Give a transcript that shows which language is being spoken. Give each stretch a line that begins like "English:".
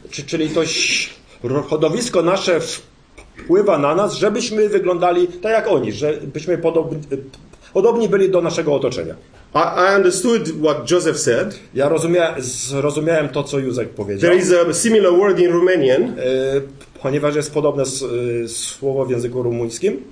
Polish: Czyli to środowisko nasze wpływa na nas, żebyśmy wyglądali tak jak oni, żebyśmy podobni byli do naszego otoczenia.
English: I understood what Joseph said.
Polish: Ja zrozumiałem to, co Józek powiedział.
English: There is a similar word in Romanian.
Polish: Ponieważ jest podobne słowo w języku rumuńskim.